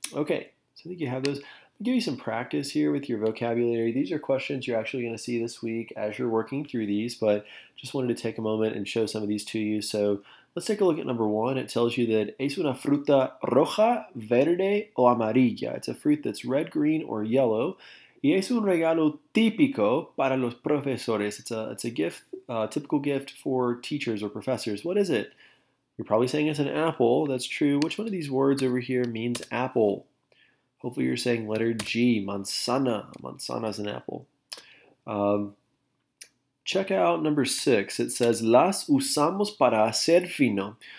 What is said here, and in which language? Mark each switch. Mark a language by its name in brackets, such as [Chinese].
[English] Okay, so I think you have those. I'll give you some practice here with your vocabulary. These are questions you're actually going to see this week as you're working through these, but just wanted to take a moment and show some of these to you. So, let's take a look at number one. It tells you that [Spanish] es una fruta roja, verde o amarilla. [English] It's a fruit that's red, green, or yellow. [Spanish] Y es un regalo típico para los profesores. [English] It's a gift, a typical gift for teachers or professors. What is it? You're probably saying it's an apple. That's true. Which one of these words over here means apple? Hopefully you're saying letter G, manzana. Manzana is an apple. Check out number six. It says, [Spanish] las usamos para hacer vino.